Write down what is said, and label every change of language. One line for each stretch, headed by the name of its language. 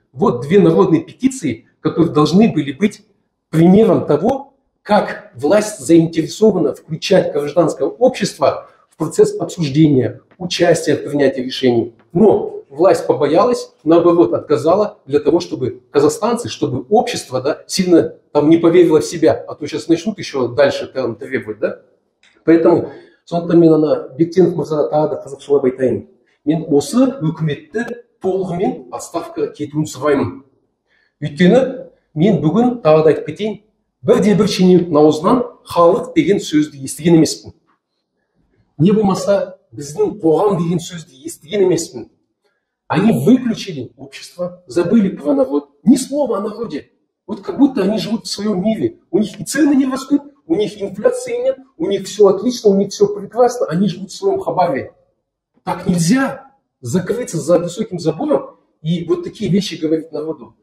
Russian: Вот две народные петиции, которые должны были быть примером того, как власть заинтересована включать гражданское общество в процесс обсуждения, участия в принятии решений. Но власть побоялась, наоборот, отказала для того, чтобы казахстанцы, чтобы общество, да, сильно там не поверило в себя, а то сейчас начнут еще дальше там требовать. Да? Поэтому
Kazakh: сонтаминана бектенов мырзатаады қазақшылап айтайын. Мен осы үкіметті толығымен отставка кетуін сұраймын. Өйткені мен бүгін тағы да айтып кетейін, бірде бір шенеуніктің аузынан халық деген сөзді естіген емеспін. Не болмаса біздің қоғам деген сөзді естіген емеспін.
Russian: Они выключили общество, забыли про народ. Ни слова о народе. Вот как будто они живут в своем мире. У них и цены не растут, у них инфляции нет, у них все отлично, у них все прекрасно. Они живут в своем хабаре. Так нельзя закрыться за высоким забором и вот такие вещи говорить народу.